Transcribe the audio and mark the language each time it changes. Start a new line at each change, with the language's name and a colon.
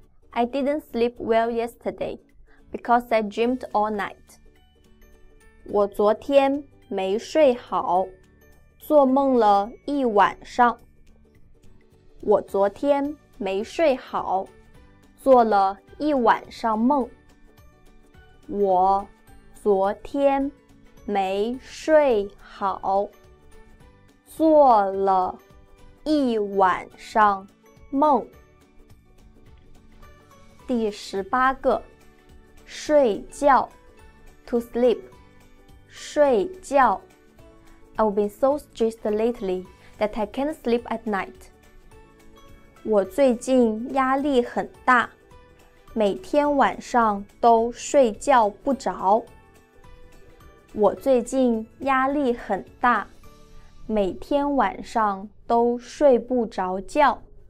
English: I didn't sleep well yesterday because I dreamed all night.
Chinese: 我昨天没睡好，做梦了一晚上。我昨天没睡好，做了一晚上梦。我昨天没睡好，做了一晚上梦。第十八个，睡觉 ，
English: to sleep，
Chinese: 睡觉。
English: I've been so stressed lately that I can't sleep at night。
Chinese: 我最近压力很大，每天晚上都睡觉不着。我最近压力很大，每天晚上都睡不着觉。